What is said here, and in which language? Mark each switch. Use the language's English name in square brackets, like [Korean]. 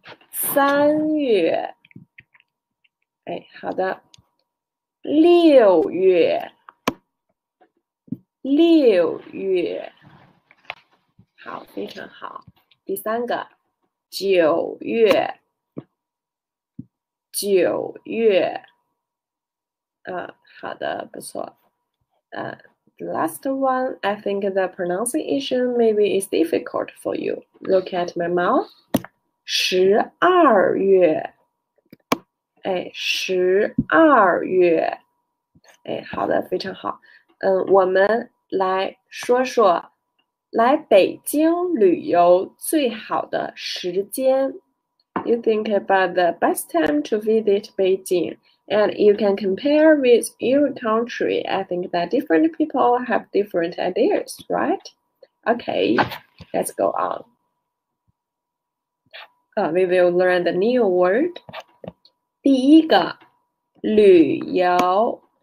[Chinese] 三月，哎，好的，六月，六月，好，非常好。第三个，九月，九月，好的，不错。 [English] The last one, I think the pronunciation maybe is difficult for you. Look at my mouth. [Chinese] 十二月，哎，十二月，哎，好的，非常好。我们来说说来北京旅游最好的时间。 [English] You think about the best time to visit Beijing, and you can compare with your country. I think that different people have different ideas, right? Okay, let's go on. We will learn the new word. [Chinese] 第一个，旅游。